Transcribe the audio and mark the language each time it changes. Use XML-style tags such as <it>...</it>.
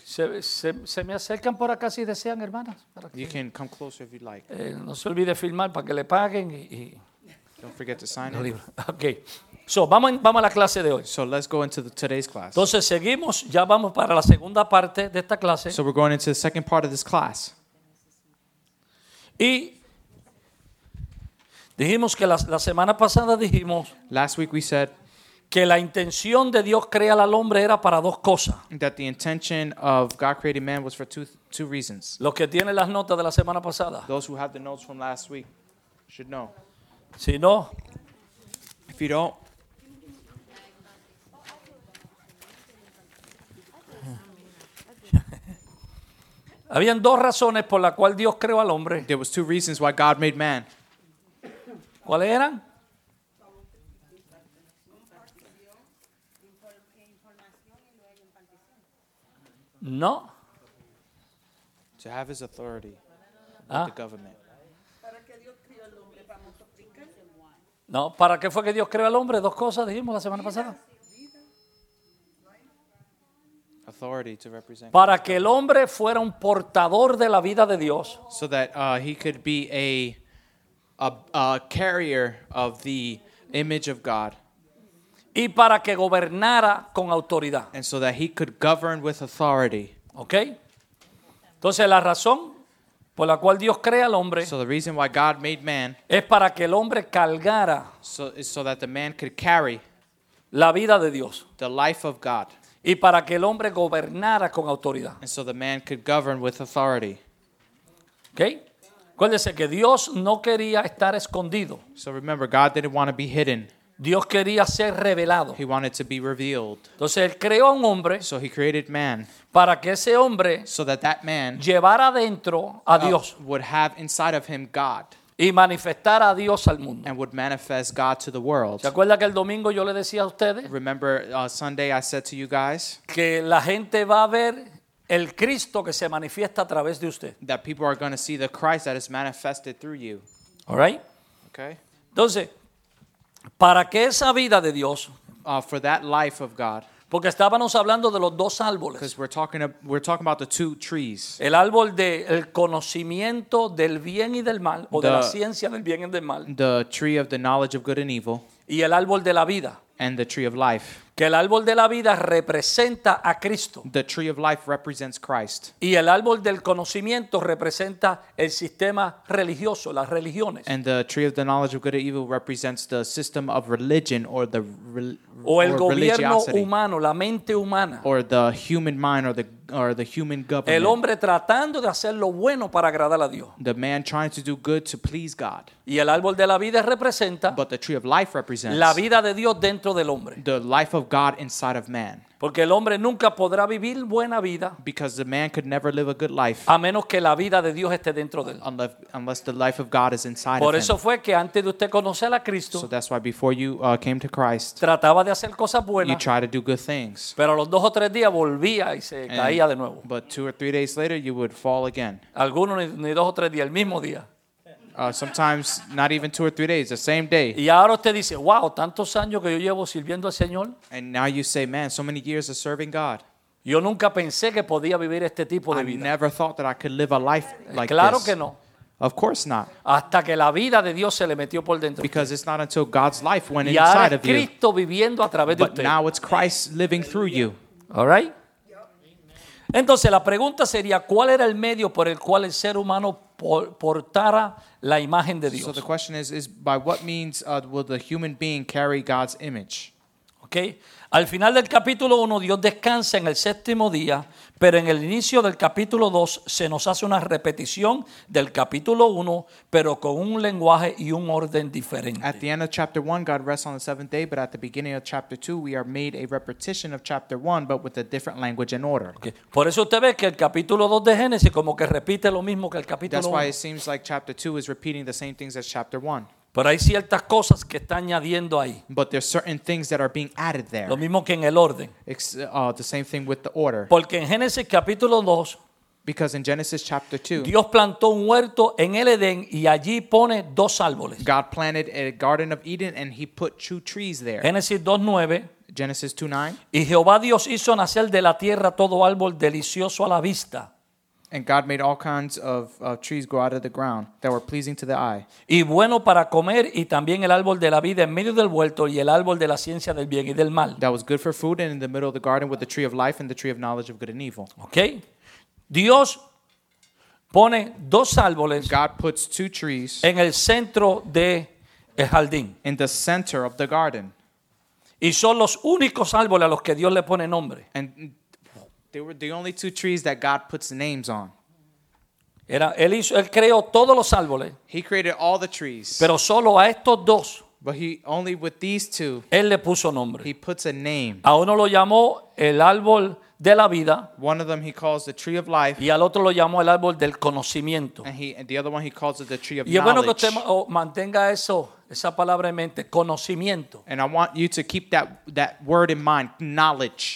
<es>Se me acercan por acá si desean, hermanas.</es> <en>You can come closer if you'd like.</en> <es>No se olvide filmar para que le paguen y</es> <en>don't forget to sign it. Okay. So,</en> <es>vamos a la clase de hoy.</es> <en>So let's go into today's class.</en> <es>Entonces seguimos, ya vamos para la segunda parte de esta clase.</es> <en>So we're going into the second part of this class.</en> <es>Y dijimos que la semana pasada dijimos.</es> <en>Last week we said.</en> <es>Que la intención de Dios crear al hombre era para dos cosas.</es> <en>That the intention of God creating man was for two reasons.</en> <es>Los que tienen las notas de la semana pasada.</es> <en>Those who have the notes from last week should know.</en> <es>Si no.</es> <en>If you don't.</en> <es>Habían dos razones por la cual Dios creó al hombre.</es> <en>There was two reasons why God made man.</en> <es>¿Cuáles eran? No.</es> <en>To have his authority with the government.</en> <es>No, ¿para qué fue que Dios creó al hombre? Dos cosas dijimos la semana pasada.</es> <en>Authority to represent God.</en> <es>Para que el hombre fuera un portador de la vida de Dios.</es> <en>So that he could be a carrier of the image of God.</en> <es>Y para que gobernara con autoridad.</es> <en>And so that he could govern with authority. Okay.</en> <es>Entonces la razón por la cual Dios crea al hombre.</es> <en>So the reason why God made man.</en> <es>Es para que el hombre cargara.</es> <en>So that the man could carry.</en> <es>La vida de Dios.</es> <en>The life of God.</en> <es>Y para que el hombre gobernara con autoridad.</es> <en>And so the man could govern with authority.</en> <es>Okay. Acuérdese que Dios no quería estar escondido.</es> <en>So remember, God didn't want to be hidden.</en> <es>Dios quería ser revelado.</es> <en>He wanted to be revealed.</en> <es>Entonces él creó un hombre.</es> <en>So he created man.</en> <es>Para que ese hombre.</es> <en>So that man.</en> <es>Llevara dentro a Dios.</es> <en>Would have inside of him God.</en> <es>Y manifestara a Dios al mundo.</es> <en>And would manifest God to the world.</en> <es>¿Se acuerda que el domingo yo le decía a ustedes?</es> <en>Remember Sunday I said to you guys.</en> <es>Que la gente va a ver el Cristo que se manifiesta a través de usted.</es> <en>That people are going to see the Christ that is manifested through you. All right. Okay.</en> <es>Entonces. Para que esa vida de Dios.</es> <en>For that life of God.</en> <es>Porque estábamos hablando de los dos árboles.</es> <en>Because we're talking about the two trees.</en> <es>El árbol del conocimiento del bien y del mal. O de la ciencia del bien y del mal.</es> <en>The tree of the knowledge of good and evil.</en> <es>Y el árbol de la vida.</es> <en>And the tree of life.</en> <es>Que el árbol de la vida representa a Cristo.</es> <en>The tree of life represents Christ.</en> <es>Y el árbol del conocimiento representa el sistema religioso, las religiones.</es> <en>And the tree of the knowledge of good and evil represents the system of religion or the</en> <es>o el gobierno humano, la mente humana.</es> <en>Or the human mind or the human government.</en> <es>El hombre tratando de hacer lo bueno para agradar a Dios.</es> <en>The man trying to do good to please God.</en> <es>Y el árbol de la vida representa.</es> <en>But the tree of life represents.</en> <es>La vida de Dios dentro del hombre.</es> <en>The life of God inside of man.</en> <es>Porque el hombre nunca podrá vivir buena vida.</es> <en>Because the man could never live a good life.</en> <es>A menos que la vida de Dios esté dentro de él.</es> <en>Unless the life of God is inside of him.</en> <es>Por eso fue que antes de usted conocer a Cristo.</es> <en>So that's why before you came to Christ.</en> <es>Trataba de hacer cosas buenas.</es> <en>You try to do good things.</en> <es>Pero los dos o tres días volvía y se caía de nuevo.</es> <en>But two or three days later you would fall again.</en> <es>Algunos ni dos o tres días, el mismo día.</es> <en>Sometimes not even two or three days, the same day.</en> <es>Y ahora usted dice, wow, tantos años que yo llevo sirviendo al Señor.</es> <en>And now you say, man, so many years of serving God.</en> <es>Yo nunca pensé que podía vivir este tipo de vida.</es> <en>I never thought that I could live a life like</en> <es>claro</es> <en>this.</en> <es>Claro que no.</es> <en>Of course not.</en> <es>Hasta que la vida de Dios se le metió por dentro.</es> <en>Because it's not until God's life went</en> <es>y ahora</es> <en>inside</en> <es>es Cristo</es> <en>of you.</en> <es>Viviendo a través</es> <en>but</en> <es>de usted.</es> <en>Now it's Christ living through you. All right?</en> <es>Entonces la pregunta sería, ¿cuál era el medio por el cual el ser humano portara la imagen de Dios?</es> <en>So the question is by what means will the human being carry God's image? Okay.</en> <es>Al final del capítulo 1 Dios descansa en el séptimo día, pero en el inicio del capítulo 2 se nos hace una repetición del capítulo 1, pero con un lenguaje y un orden diferente.</es> <en>At the end of chapter 1 God rests on the seventh day, but at the beginning of chapter 2 we are made a repetition of chapter 1 but with a different language and order. Okay.</en> <es>Por eso usted ve que el capítulo 2 de Génesis como que repite lo mismo que el capítulo 1.</es> <en>That's why it seems like chapter 2 is repeating the same things as chapter 1.</en> <es>Pero hay ciertas cosas que están añadiendo ahí.</es> <en>But there are certain things that are being added there.</en> <es>Lo mismo que en el orden.</es> <en>The same thing with the order.</en> <es>Porque en Génesis capítulo 2.</es> <en>Because in Genesis chapter 2.</en> <es>Dios plantó un huerto en el Edén y allí pone dos árboles.</es> <en>God planted a garden of Eden and he put two trees there.</en> <es>Génesis 2:9.</es> <en>Genesis 2:9.</en> <es>Y Jehová Dios hizo nacer de la tierra todo árbol delicioso a la vista.</es> <en>And God made all kinds of trees grow out of the ground that were pleasing to the eye.</en> <es>Y bueno para comer y también el árbol de la vida en medio del huerto y el árbol de la ciencia del bien y del mal.</es> <en>That was good for food and in the middle of the garden with the tree of life and the tree of knowledge of good and evil.</en> <es>Okay. Dios pone dos árboles.</es> <en>God puts two trees</en> <es>en el centro de el jardín.</es> <en>In the center of the garden.</en> <es>Y son los únicos árboles a los que Dios le pone nombre.</es> <en>And they were the only two trees that God puts names on.</en> <es>Era, él hizo, él creó todos los árboles.</es> <en>He created all the trees.</en> <es>Pero solo a estos dos.</es> <en>But he only with these two.</en> <es>Él le puso nombre.</es> <en>He puts a name.</en> <es>A uno lo llamó el árbol de la vida.</es> <en>One of them he calls the tree of life.</en> <es>Y al otro lo llamó el árbol del conocimiento.</es> <en>And the other one he calls it the tree of knowledge.</en> <es>Y es bueno que usted mantenga eso. Esa palabra en mente, conocimiento.</es> <en>And I want you to keep that word in mind, knowledge.</en>